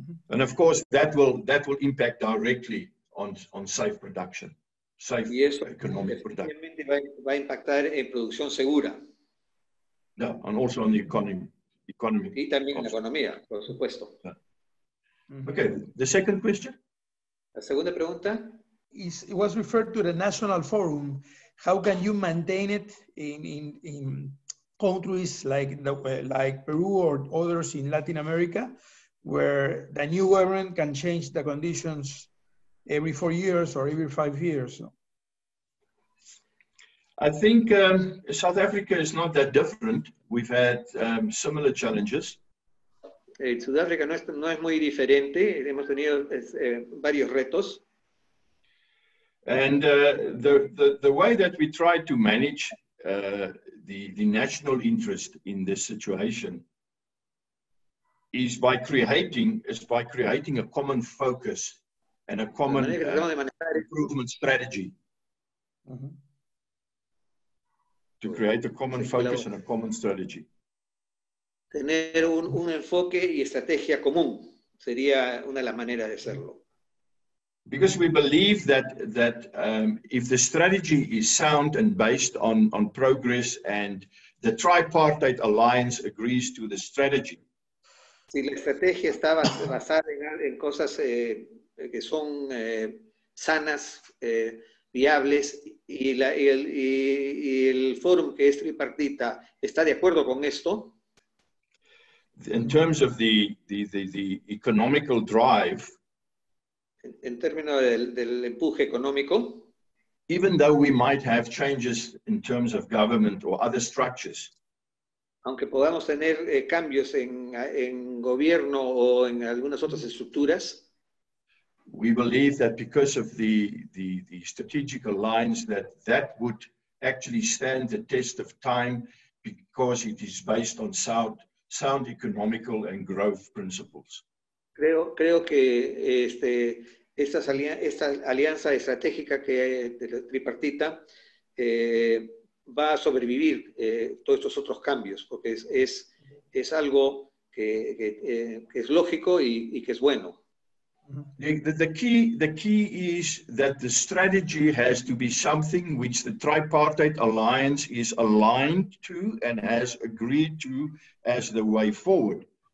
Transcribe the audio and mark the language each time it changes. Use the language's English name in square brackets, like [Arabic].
[English] And of course that will impact directly on safe production. Safe [Spanish] y eso [English] economic production. [Spanish] Va a impactar en producción segura. [English] No, and also on the economy. [Spanish] Y también en la economía, por supuesto. [English] Yeah. Okay, the second question. [Spanish] La segunda pregunta. [English] It was referred to the National Forum. How can you maintain it in countries like Peru or others in Latin America, where the new government can change the conditions every 4 years or every 5 years? I think South Africa is not that different. We've had similar challenges. [Spanish] Sudáfrica no es muy diferente. Hemos tenido varios retos. [English] And the way that we try to manage the national interest in this situation is by creating a common focus and a common improvement strategy. To create a common focus and a common strategy. [Spanish] Tener un enfoque y estrategia común sería una de las maneras de hacerlo. [English] Because we believe that if the strategy is sound and based on progress and the tripartite alliance agrees to the strategy. [Spanish] Si la estrategia estaba basada en cosas que son sanas, viables, y el forum que es tripartita está de acuerdo con esto. [English] In terms of the economical drive, [Spanish] en términos del empuje económico, [English] even though we might have changes in terms of government or other structures, [Spanish] aunque podamos tener cambios en gobierno o en algunas otras estructuras, [English] we believe that because of the strategic alliance that would actually stand the test of time because it is based on sound economical and growth principles. [Spanish] Creo que esta alianza estratégica que tripartita va a sobrevivir todos estos otros cambios porque es algo que es lógico y que es bueno. [English] The key is that the strategy has to be something which the tripartite alliance is aligned to and has agreed to as the way forward.